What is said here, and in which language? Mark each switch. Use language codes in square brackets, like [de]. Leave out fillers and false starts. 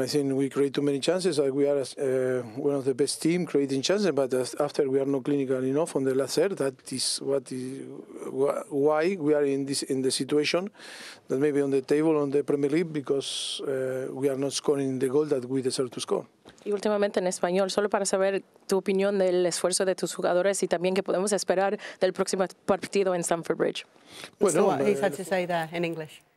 [en] I think we create too many chances. Like we are one of the best team creating chances, but after we are not clinical enough on the last third, that is why we are in the situation that maybe on the table on the Premier League, because we are not scoring the goal that we deserve to score. [es] Y últimamente en español, solo para saber tu opinión del esfuerzo de tus jugadores y también qué podemos esperar del próximo partido en Stamford Bridge. [en] Bueno, so he's had to say that in English.